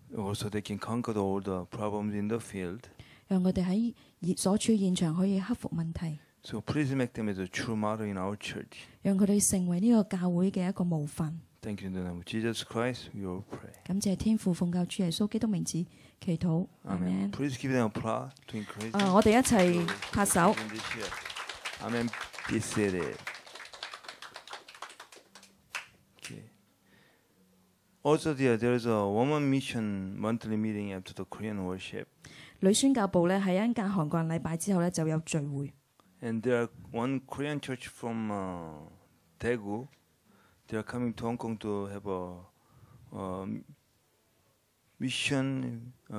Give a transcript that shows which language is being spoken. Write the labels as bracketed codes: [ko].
[en] Also, they can conquer all the problems in the field. [yue] 讓我哋喺所處現場可以克服問題。 [en] So please make them as a true model in our church. [yue] 讓佢哋成為呢個教會嘅一個模範。 [en] Thank you in the name of Jesus Christ. We all pray. [yue] 感謝天父，奉教主耶穌基督名字祈禱。 [en] Amen. Please give them a prayer to increase. [yue] 我哋一齊拍手。 [en] Amen. Be seated. Also, there is a woman mission monthly meeting after the Korean worship. [yue] 女宣教部咧喺一間韓國禮拜之後咧就有聚會。 [en] And there are one Korean church from Daegu. They are coming to Hong Kong to have a mission.